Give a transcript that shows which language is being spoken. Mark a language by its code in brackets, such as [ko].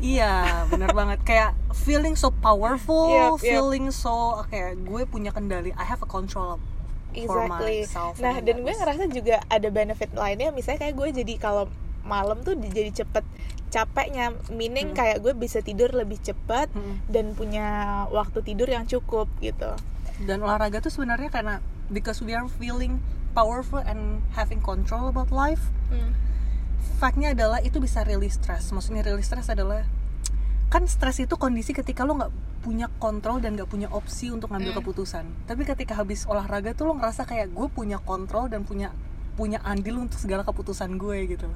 [id] Iya, benar banget. Kayak [en] feeling so powerful, [id] so kayak gue punya kendali. [en] I have a control. Exactly. For myself. [id] Nah, dan gue ngerasa juga ada benefit lainnya. Misalnya kayak gue jadi kalau malam tuh jadi cepet capeknya, meaning kayak gue bisa tidur lebih cepat dan punya waktu tidur yang cukup gitu. Dan olahraga tuh sebenarnya karena [en] because we are feeling powerful and having control about life. [id] Faktnya adalah itu bisa release stress. Maksudnya release stress adalah kan stress itu kondisi ketika lo nggak punya kontrol dan nggak punya opsi untuk ngambil keputusan. Tapi ketika habis olahraga tuh lo ngerasa kayak gue punya kontrol dan punya andil untuk segala keputusan gue gitu.